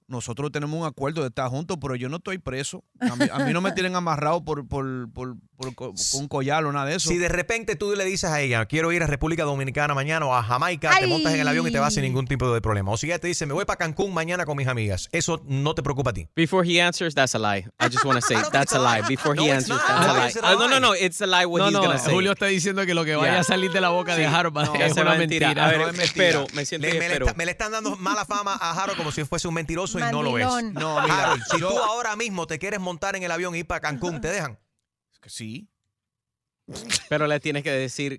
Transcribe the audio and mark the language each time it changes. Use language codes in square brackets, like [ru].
[es] nosotros tenemos un acuerdo de estar juntos, pero yo no estoy preso. A mí no me tienen amarrado por un collar o nada de eso. Si de repente tú le dices a ella, quiero ir a República Dominicana mañana o a Jamaica, ¡ay!, te montas en el avión y te vas sin ningún tipo de problema. O si ella te dice, me voy para Cancún mañana con mis amigas. Eso no te preocupa a ti. [en] Before he answers, that's a lie. I just want to say, that's a lie. Before he answers, that's a lie. No, it's a lie what he's going to say. [es] Julio está diciendo que lo que vaya a salir de la boca de Harold va a ser una mentira. A ver, espero. Me siento que espero. Me le están dando mala fama a Harold como si fuese un mentiroso. Y no lo es. No, mira, Harold, si tú ahora mismo te quieres montar en el avión y ir para Cancún, ¿te dejan? Es que sí. Pero le tienes que decir.